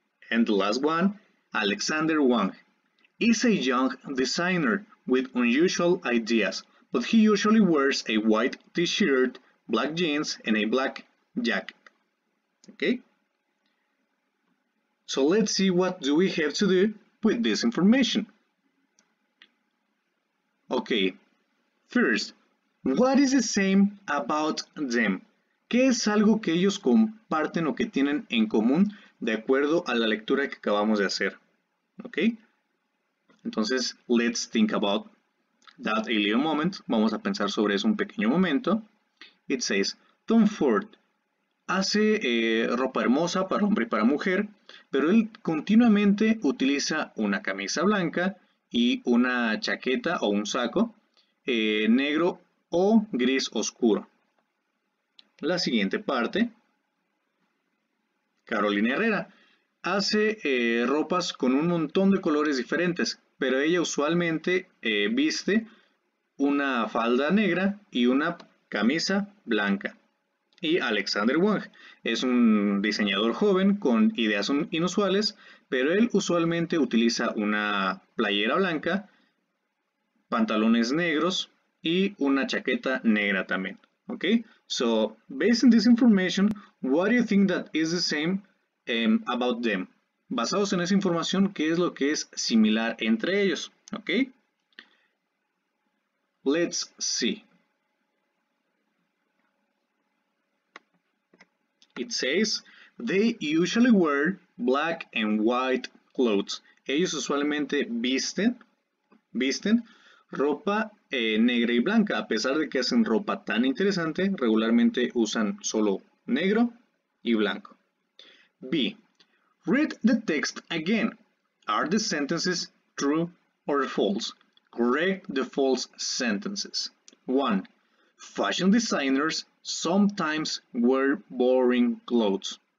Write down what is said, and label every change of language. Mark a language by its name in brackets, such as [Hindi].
[English] And the last one, Alexander Wang is a young designer with unusual ideas, but he usually wears a white t-shirt, black jeans, and a black jacket. Okay? So let's see what do we have to do with this information. Okay, first, what is the same about them? [Spanish] ¿Qué es algo que ellos comparten o que tienen en común de acuerdo a la lectura que acabamos de hacer? [English] Okay, entonces, let's think about that a little moment. [Spanish] Vamos a pensar sobre eso un pequeño momento. [English] It says, [Spanish] Tom Ford hace ropa hermosa para hombre y para mujer, pero él continuamente utiliza una camisa blanca y una chaqueta o un saco negro o gris oscuro. La siguiente parte, Carolina Herrera hace ropas con un montón de colores diferentes, pero ella usualmente viste una falda negra y una camisa blanca. Y Alexander Wang es un diseñador joven con ideas inusuales, pero él usualmente utiliza una playera blanca, pantalones negros y una chaqueta negra también. [English] Okay? So, based on this information, what do you think that is the same about them? [Spanish] Basados en esa información, ¿qué es lo que es similar entre ellos? [English] Okay? Let's see. It says, they usually wear black and white clothes. [Spanish] Ellos usualmente visten ropa negra y blanca. A pesar de que hacen ropa tan interesante, regularmente usan solo negro y blanco. [English] B. Read the text again. Are the sentences true or false? Correct the false sentences. 1. Fashion designers sometimes wear boring clothes.